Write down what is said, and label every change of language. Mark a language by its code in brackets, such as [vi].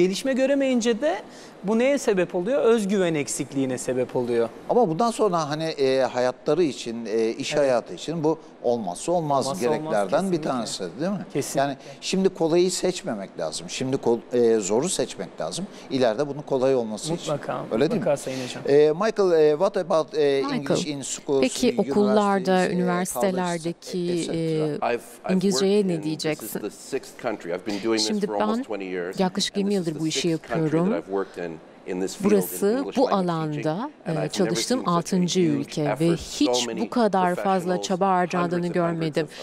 [tr] Gelişme göremeyince de bu neye sebep oluyor? Özgüven eksikliğine sebep oluyor. Ama bundan sonra hani hayatları için, iş hayatı için bu olmazsa olmaz gereklerden bir tanesi değil mi? Kesinlikle. Yani şimdi kolayı seçmemek lazım. Şimdi zoru seçmek lazım. İleride bunun kolay olması mutlaka, için. Öyle mutlaka, değil mi? Sayın Hocam. [en] Michael, what about English in schools? [tr] Peki okullarda, üniversitelerdeki İngilizceye ne diyeceksin? Şimdi ben yaklaşık 20 yıldır bu işi yapıyorum. Burası bu alanda çalıştığım 6. ülke ve hiç bu kadar fazla çaba harcandığını görmedim.